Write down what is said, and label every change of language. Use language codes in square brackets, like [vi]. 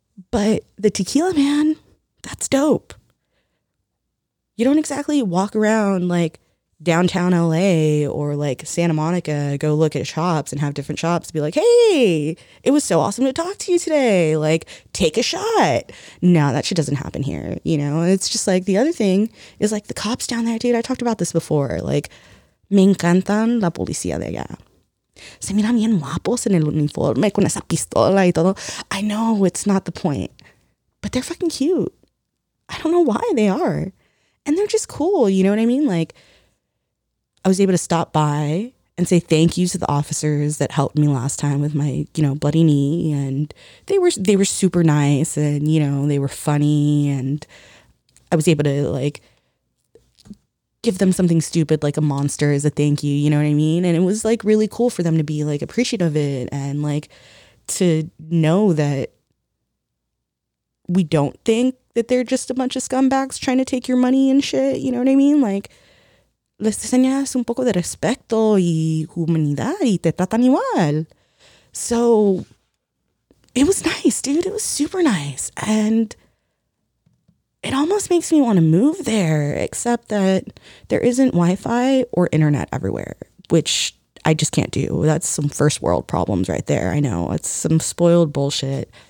[en] But the tequila, man, that's dope. You don't exactly walk around like downtown LA or like Santa Monica, go look at shops and have different shops to be like, hey, it was so awesome to talk to you today. Like, take a shot. No, that shit doesn't happen here. You know, it's just like the other thing is like the cops down there, dude. I talked about this before. Like, [es] me encantan la policía de allá. Se miran bien guapos en el uniforme con esa pistola y todo. [en] I know it's not the point, but they're fucking cute. I don't know why they are. And they're just cool. You know what I mean? Like, I was able to stop by and say thank you to the officers that helped me last time with my, you know, bloody knee. And they were super nice and, you know, they were funny. And I was able to, like, give them something stupid, like a monster as a thank you. You know what I mean? And it was, like, really cool for them to be, like, appreciative of it and, like, to know that we don't think that they're just a bunch of scumbags trying to take your money and shit. You know what I mean? Like, [es] les enseñas un poco de respeto y humanidad y te tratan igual. [en] So it was nice, dude. It was super nice. And it almost makes me want to move there, except that there isn't Wi-Fi or internet everywhere, which I just can't do. That's some first world problems right there. I know. It's some spoiled bullshit.